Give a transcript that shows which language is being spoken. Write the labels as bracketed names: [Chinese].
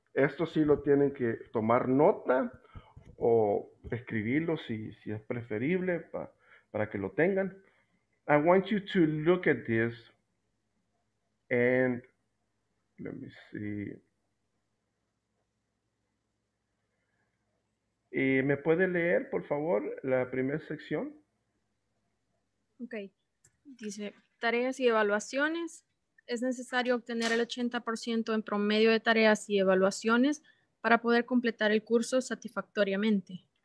[Spanish] Esto sí lo tienen que tomar nota o escribirlo si es preferible para que lo tengan. [English] I want you to look at this and let me see. [Spanish] ¿Me puede leer, por favor, la primera sección? Ok. Dice, tareas y evaluaciones. Es necesario obtener el 80% en promedio de tareas y evaluaciones para poder completar el curso satisfactoriamente.